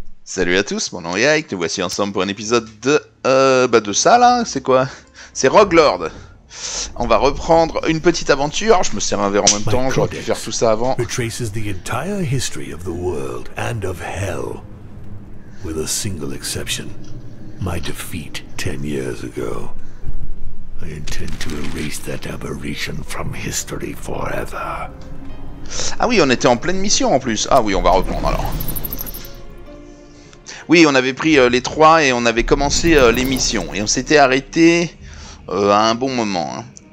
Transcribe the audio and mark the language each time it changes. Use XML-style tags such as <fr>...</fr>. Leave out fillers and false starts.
<fr>Salut à tous, mon nom est Ike, nous voici ensemble pour un épisode de... de ça là, c'est quoi? C'est Rogue Lord. On va reprendre une petite aventure. Je me sers un verre en même</fr> <en>My</en> <fr>temps, j'aurais pu</fr> <en>codex</en> <fr>faire tout ça avant.</fr> <en>retraces the entire history of the world and of hell. With a single exception. My defeat 10 years ago. I intend to erase that aberration from history forever.</en> <fr>Ah oui, on était en pleine mission en plus. Ah oui, on va reprendre alors. Oui, on avait pris les trois et on avait commencé les missions. Et on s'était arrêté à un bon moment. Hein.</fr>